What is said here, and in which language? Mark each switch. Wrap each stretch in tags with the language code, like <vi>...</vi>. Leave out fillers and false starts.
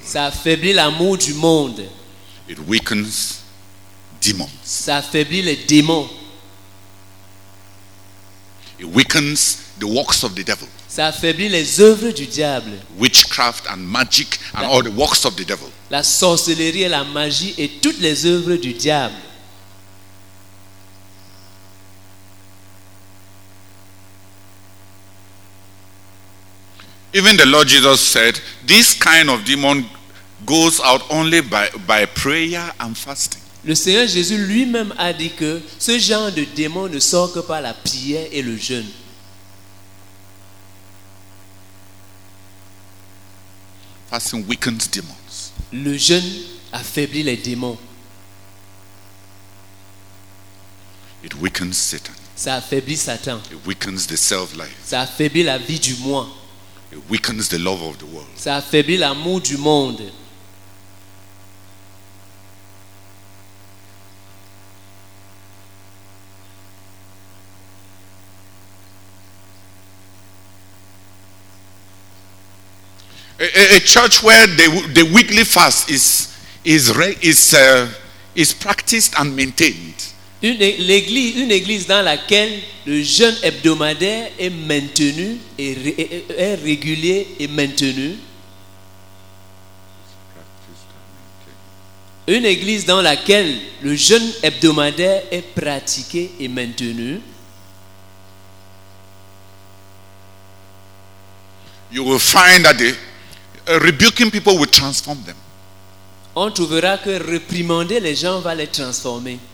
<fr>Ça affaiblit l'amour du monde.</fr> <en>It weakens demons.</en> <fr>Ça affaiblit les démons.</fr> <en>It weakens the works of the devil.</en> <fr>Ça affaiblit les œuvres du diable.</fr> <en>Witchcraft and magic and all the works of the devil.</en> <fr>La sorcellerie et la magie et toutes les œuvres du diable.</fr> <en>Even the Lord Jesus said, this kind of demon goes out only by prayer and fasting.</en> <fr>Le Seigneur Jésus lui-même a dit que ce genre de démon ne sort que par la prière et le jeûne.</fr> <en>Fasting weakens demons.</en> <fr>Le jeûne affaiblit les démons.</fr> <en>It weakens Satan.</en> <fr>Ça affaiblit Satan.</fr> <en>It weakens the self-life.</en> <fr>Ça affaiblit la vie du moi.</fr> <en>It weakens the love of the world.</en> <fr>Ça affaiblit l'amour du monde.</fr> <en>A church where the weekly fast is practiced and maintained.</en> <fr>Une église dans laquelle le jeûne hebdomadaire est maintenu et est régulier et maintenu. Une église dans laquelle le jeûne hebdomadaire est pratiqué et maintenu.</fr> <en>You will find that rebuking people will transform them.</en> <fr>On trouvera que réprimander les gens va les transformer.</fr>